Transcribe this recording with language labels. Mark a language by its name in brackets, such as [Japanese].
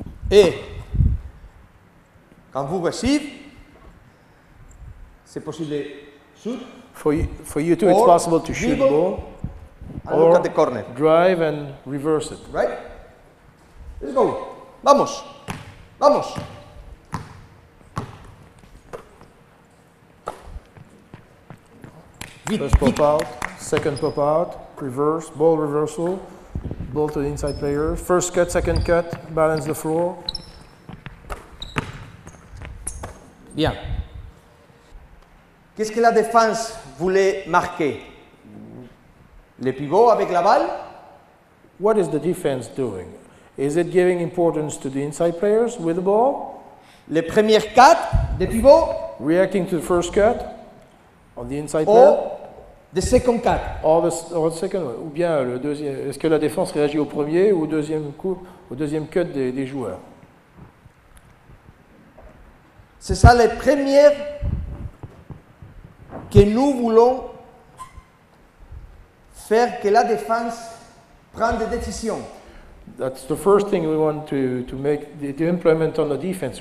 [French] Et quand vous recevez, c'est possible de shoot. [English] For you too, it's possible to shoot the ball. Or at the corner. Drive and reverse it. Right? Let's go. [Spanish] Vamos. Vamos. [English] First pop out, second pop out, reverse, ball reversal. Ball to the inside player. First cut, second cut. Balance the floor. [French] Bien. Qu'est-ce que la défense voulait marquer? Le pivot avec la balle? [English] What is the defense doing? Is it giving importance to the inside players with the ball? [French] Le premier cut, le pivot? [English] Reacting to the first cut on the inside [French] ou [English] player? The second cut. Or the second, [French] ou bien le deuxième. Est-ce que la défense réagit au premier ou au deuxième cut des joueurs? C'est ça les premières que nous voulons faire que la défense prenne des décisions. [English] That's the first thing we want to make to implement on the defense.